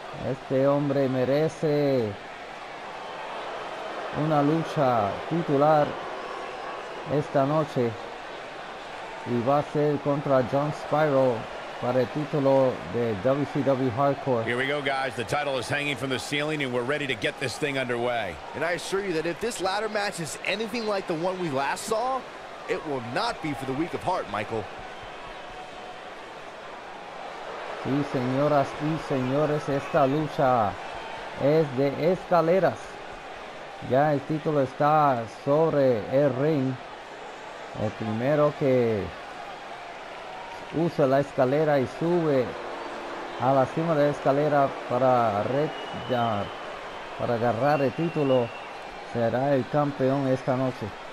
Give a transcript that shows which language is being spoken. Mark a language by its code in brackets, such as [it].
[es] Este hombre merece una lucha titular esta noche y va a ser contra John Spyro para el título de WCW Hardcore. [en] Here we go, guys. The title is hanging from the ceiling, and we're ready to get this thing underway. And I assure you that if this ladder match is anything like the one we last saw, it will not be for the weak of heart, Michael. [es] Sí, señoras y señores, esta lucha es de escaleras. Ya el título está sobre el ring. El primero que usa la escalera y sube a la cima de la escalera para agarrar el título será el campeón esta noche.